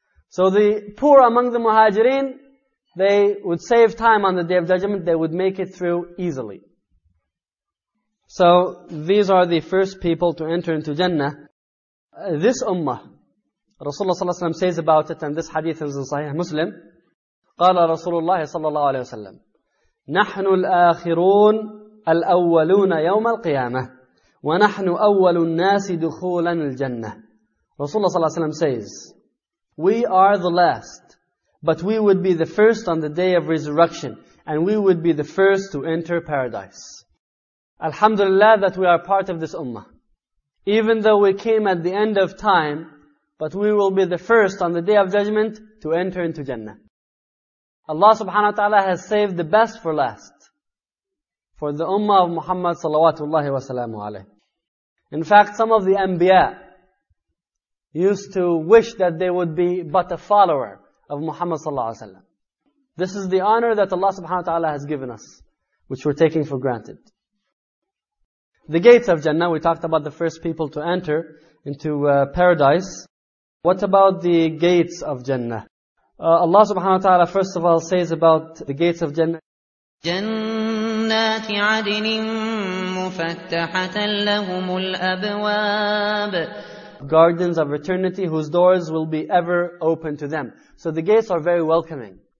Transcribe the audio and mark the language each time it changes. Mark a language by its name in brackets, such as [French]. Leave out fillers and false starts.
[English] So the poor among the muhajirin, they would save time on the Day of Judgment, they would make it through easily. So these are the first people to enter into Jannah. This ummah, Rasulullah sallallahu alayhi wa sallam says about it, and this hadith is in Sahih Muslim. [Arabic] Qala Rasulullah sallallahu alayhi wa sallam, نَحْنُ الْآخِرُونَ الْأَوَّلُونَ يَوْمَ الْقِيَامَةِ وَنَحْنُ أَوَّلُ النَّاسِ دُخُولًا الْجَنَّةِ. [English] Rasulullah sallallahu alayhi wa sallam says, we are the last, but we would be the first on the day of resurrection, and we would be the first to enter paradise. Alhamdulillah that we are part of this ummah. Even though we came at the end of time, but we will be the first on the Day of Judgment to enter into Jannah. Allah subhanahu wa ta'ala has saved the best for last. For the ummah of Muhammad sallallahu wasallamu alayhi. In fact, some of the anbiya used to wish that they would be but a follower of Muhammad sallallahu alayhi wasallam. This is the honor that Allah subhanahu wa ta'ala has given us, which we're taking for granted. The gates of Jannah, we talked about the first people to enter into paradise. What about the gates of Jannah? Allah subhanahu wa ta'ala first of all says about the gates of Jannah. [Arabic] جنات عدن مفتحة لهم الأبواب. [English] Gardens of eternity whose doors will be ever open to them. So the gates are very welcoming.